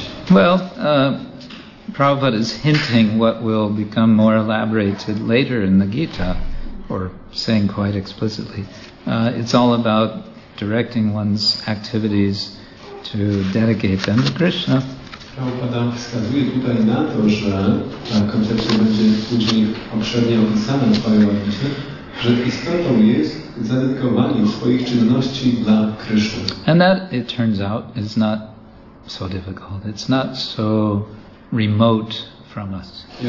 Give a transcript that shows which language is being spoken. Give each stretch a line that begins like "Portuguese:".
English: Well, Prabhupada is hinting what will become more elaborated later in the Gita, or saying quite explicitly, it's all about directing one's activities to dedicate them to Krishna.
Polish: Prabhupada wskazuje tutaj na to, że ta koncepcja będzie później obszernie opisana w swojej opisie, że istotą jest zadedykowanie swoich czynności dla Krishna.
English: And that, it turns out, is not so difficult. It's not so remote from us.